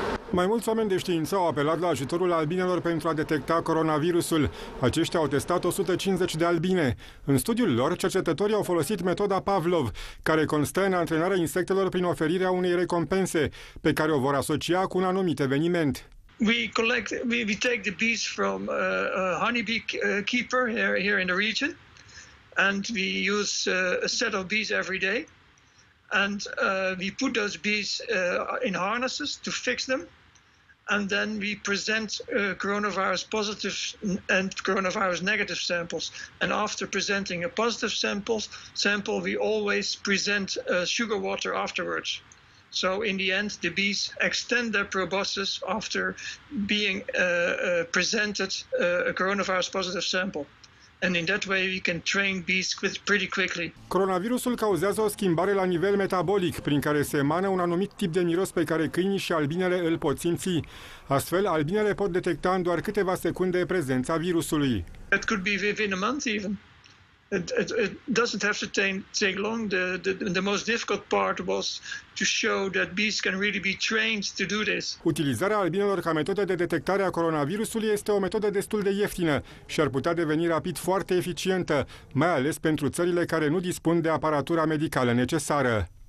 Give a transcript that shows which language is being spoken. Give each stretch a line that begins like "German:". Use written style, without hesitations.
Romanian: Mai mulți oameni de știință au apelat la ajutorul albinelor pentru a detecta coronavirusul. Aceștia au testat 150 de albine. În studiul lor, cercetătorii au folosit metoda Pavlov, care constă în antrenarea insectelor prin oferirea unei recompense, pe care o vor asocia cu un anumit eveniment.
English: We take the bees from a honeybee keeper here in the region, and we use a set of bees every day, and we put those bees in harnesses to fix them. And then we present coronavirus positive and coronavirus negative samples. And after presenting a positive sample, we always present sugar water afterwards. So in the end, the bees extend their proboscis after being presented a coronavirus positive sample. And in that way we can train bees pretty quickly.
Romanian: Coronavirusul cauzează o schimbare la nivel metabolic, prin care se emană un anumit tip de miros pe care câinii și albinele îl pot simți. Astfel, albinele pot detecta în doar câteva secunde prezența virusului.
English: It could be within a month even. It doesn't have to take long. The most difficult part was to show that bees can really be trained to do this.
Romanian: Utilizarea albinelor ca metodă de detectare a coronavirusului este o metodă destul de ieftină și ar putea deveni rapid foarte eficientă, mai ales pentru țările care nu dispun de aparatura medicală necesară.